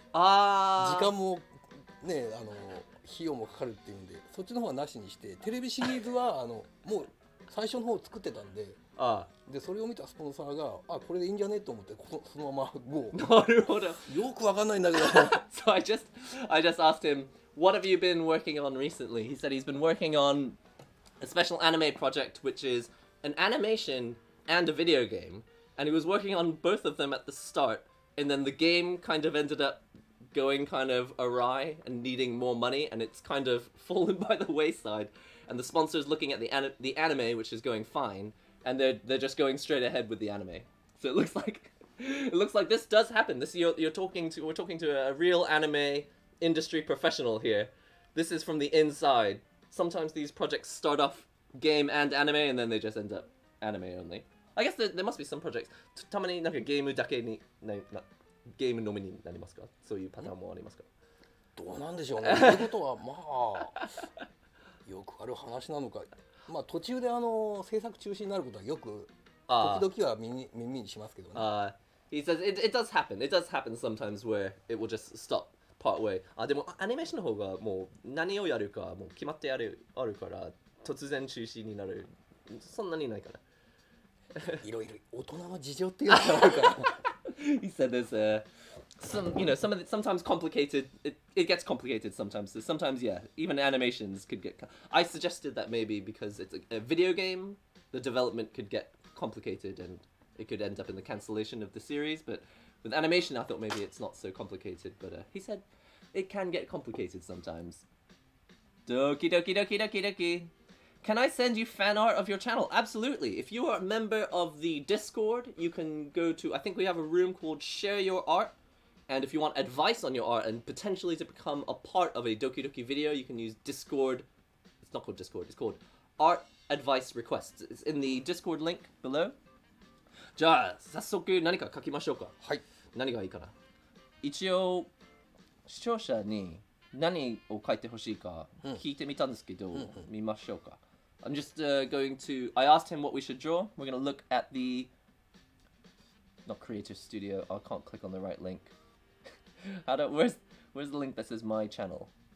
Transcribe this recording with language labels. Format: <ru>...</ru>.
<ja>あ、時間もね、費用もかかるっていうんで、そっちの方はなしにして、テレビシリーズはもう最初の方を作ってたんで、あ、でそれを見たスポンサーが、あ、これでいいんじゃねと思って、このそのままもう、なるほど、よくわかんないんだけど。</ja> <en>So I just asked him, what have you been working on recently? He said he's been working onA special anime project, which is an animation and a video game, and he was working on both of them at the start, and then the game kind of ended up going kind of awry and needing more money, and it's kind of fallen by the wayside, and the sponsor's looking at the anime, which is going fine, and they're just going straight ahead with the anime. So it looks like this does happen. This, we're talking to a real anime industry professional here. This is from the inside. Sometimes these projects start off game and anime, and then they just end up anime only. I guess there must be some projects.</en> <ja>たまになんかゲームだけに、ゲームのみになりますか？そういうパターンもありますか？どうなんでしょうね。ということは、まあ、よくある話なのか。まあ、途中で制作中止になることはよく、時々は耳にしますけどね。</ja> <en>He says, it does happen. It does happen sometimes where it will just stop. Partway.</en> <ja>でもアニメーションの方がもう何をやるかもう決まってあるから突然中止になる、そんなにないかな。いろいろ大人の事情っていうのがあるから。</ja> <en>He said there's sometimes complicated, it gets complicated sometimes. So sometimes, yeah, even animations could get... I suggested that maybe because it's a video game, the development could get complicated and it could end up in the cancellation of the series, butWith animation, I thought maybe it's not so complicated, but he said it can get complicated sometimes. Doki doki doki doki doki! Can I send you fan art of your channel? Absolutely! If you are a member of the Discord, you can go to, I think we have a room called Share Your Art, and if you want advice on your art and potentially to become a part of a Doki Doki video, you can use Discord. It's not called Discord, it's called Art Advice Requests. It's in the Discord link below.</en> <ja>じゃあ早速何か書きましょうか。はい、何がいいかな。一応視聴者に何を書いてほしいか聞いてみたんですけど、うん、見ましょうか。</ja> <en>I'm just、going to I asked him what we should draw. We're going to look at the not creator studio. I can't click on the right link. where's the link that says my channel.</en>